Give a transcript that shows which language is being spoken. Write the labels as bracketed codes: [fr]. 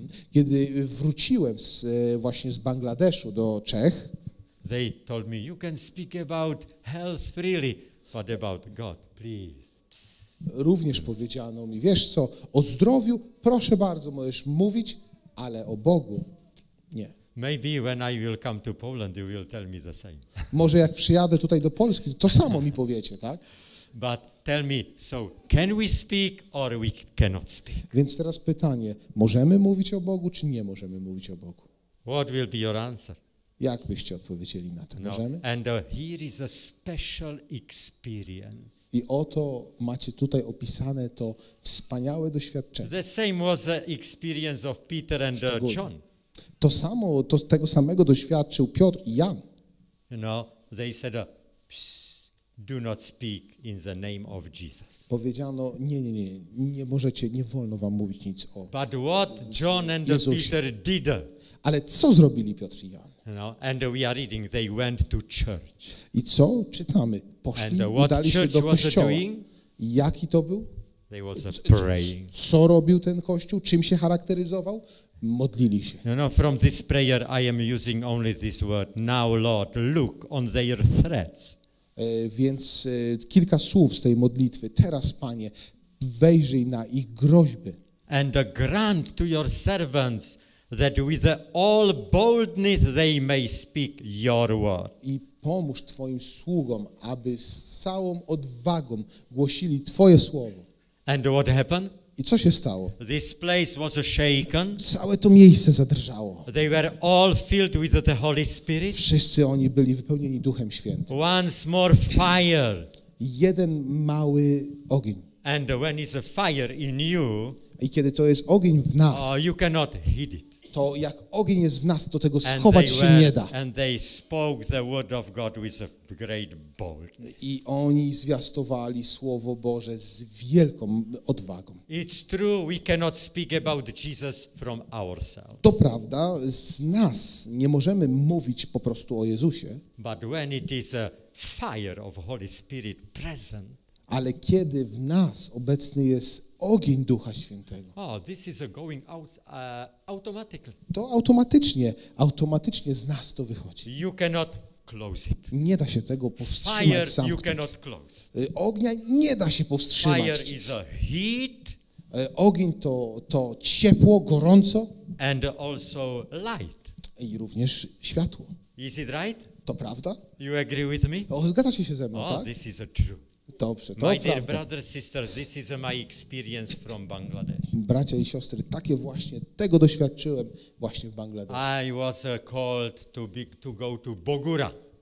[pl] Kiedy wróciłem właśnie z Bangladeszu do Czech, [en] they told me you can speak about health freely, but about God, please. [pl] Również powiedziano mi, wiesz co, o zdrowiu proszę bardzo, możesz mówić, ale o Bogu nie. [en] Maybe when I will come to Poland, you will tell me the same. [pl] Może jak przyjadę tutaj do Polski, to samo mi powiecie, tak? [en] But tell me, so can we speak or we cannot speak? [pl] Więc teraz pytanie, możemy mówić o Bogu, czy nie możemy mówić o Bogu? [en] What will be your answer? [pl] Jak byście odpowiedzieli na to? Możemy? No. [en] And here is a special experience. [pl] I oto macie tutaj opisane to wspaniałe doświadczenie. [en] The same was the experience of Peter and John. [pl] To samo, tego samego doświadczył Piotr i Jan. [en] No, they said, do not speak in the name of Jesus. [pl] Powiedziano, nie możecie, nie wolno wam mówić nic o Jezusie. [en] But what John and Peter did. [pl] Ale co zrobili Piotr i Jan? [en] No, and we are reading, they went to church. [pl] I co czytamy? Poszli, [en] and what [pl] udali [en] church [pl] się do [en] was [pl] kościoła. [en] Doing? [pl] Jaki to był? [en] They was praying. [pl] Co robił ten kościół? Czym się charakteryzował? Modlili się. [en] You know, from this prayer I am using only this word. Now, Lord, look on their threats. [pl] Więc kilka słów z tej modlitwy. Teraz, Panie, wejrzyj na ich groźby. [en] And grant to your servants that with all boldness they may speak your word. [pl] I pomóż Twoim sługom, aby z całą odwagą głosili Twoje słowo. [en] And what happened? [pl] I co się stało? [en] This place was shaken. [pl] Całe to miejsce zadrżało. [en] They were all filled with the Holy Spirit. [pl] Wszyscy oni byli wypełnieni Duchem Świętym. [en] Once more fire. [pl] Jeden mały ogień. [en] And when is a fire in you, [pl] i kiedy to jest ogień w nas, [en] you cannot hide it. [pl] To jak ogień jest w nas, to tego schować się nie da. [en] And they spoke the word of God with a great boldness. [pl] I oni zwiastowali Słowo Boże z wielką odwagą. [en] It's true, we cannot speak about Jesus from ourselves. [pl] To prawda, z nas nie możemy mówić po prostu o Jezusie. [en] But when it is a fire of Holy Spirit present, [pl] ale kiedy w nas obecny jest ogień Ducha Świętego. [en] Oh, this is going out, automatically. [pl] To automatycznie z nas to wychodzi. [en] You cannot close it. [pl] Nie da się tego powstrzymać, [en] fire, [pl] zamknąć. [en] You cannot close. [pl] Ognia nie da się powstrzymać. [en] Fire is a heat. [pl] Ogień to ciepło, gorąco. [en] And also light. [pl] I również światło. [en] Is it right? [pl] To prawda? [en] You agree with me? [pl] O, zgadzacie się ze mną, oh, tak? [en] This is a truth. [pl] Dobrze, to [en] my [pl] prawda. [en] Dear brothers, sisters, this is my experience from Bangladesh. [pl] Bracia i siostry, takie właśnie tego doświadczyłem właśnie w Bangladeszu. [en] I was called to go to Bogura.